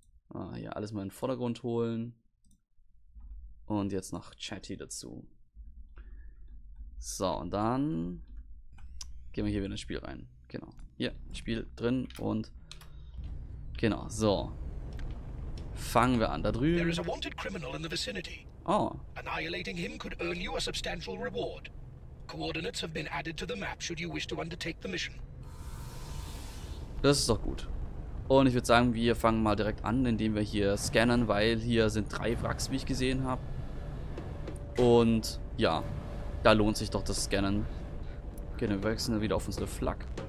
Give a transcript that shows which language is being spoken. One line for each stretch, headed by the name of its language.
German: Ah, hier alles mal in den Vordergrund holen. Und jetzt noch Chatty dazu. So, und dann gehen wir hier wieder ins Spiel rein. Genau. Hier, Spiel drin und genau, so. Fangen wir an. Da drüben.
English: There is a wanted criminal in the vicinity. Oh. Annihilating him could earn you a substantial reward. Coordinates have been added to the map, should you wish to undertake the mission.
German: Das ist doch gut. Und ich würde sagen, wir fangen mal direkt an, indem wir hier scannen, weil hier sind 3 Wracks, wie ich gesehen habe. Und ja, da lohnt sich doch das Scannen. Okay, dann wechseln wir wieder auf unsere Flak.